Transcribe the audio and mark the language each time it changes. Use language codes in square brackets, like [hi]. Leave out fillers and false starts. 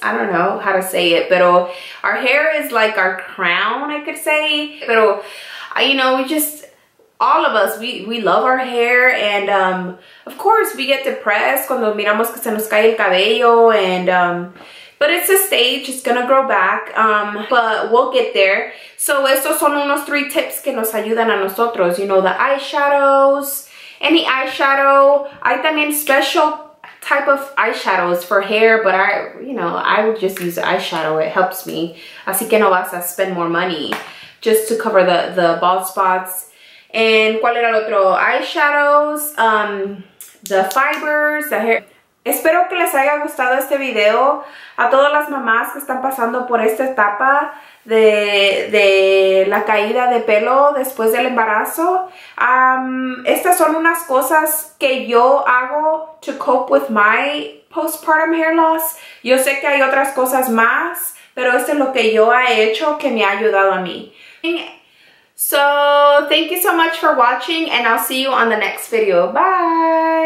[en] I don't know how to say it, pero our hair is like our crown, I could say. Pero, you know, we just... All of us, we love our hair and, of course, we get depressed [es] cuando miramos que se nos cae el cabello [en] and, But it's a stage, it's gonna grow back, but we'll get there. [es] So estos son unos three tips que nos ayudan a nosotros. [en] You know, the eyeshadows, any eyeshadow. [es] Hay también [en] special type of eyeshadows for hair, but I would just use eyeshadow. It helps me. [es] Así que no vas a [en] spend more money just to cover the bald spots. And [es] ¿cuál era el otro? [en] Eyeshadows, the fibers, the hair... [es] Espero que les haya gustado este video. A todas las mamás que están pasando por esta etapa de la caída de pelo después del embarazo, estas son unas cosas que yo hago [en] to cope with my postpartum hair loss. [es] Yo sé que hay otras cosas más, pero esto es lo que yo he hecho que me ha ayudado a mí. [en] So, thank you so much for watching and I'll see you on the next video. Bye!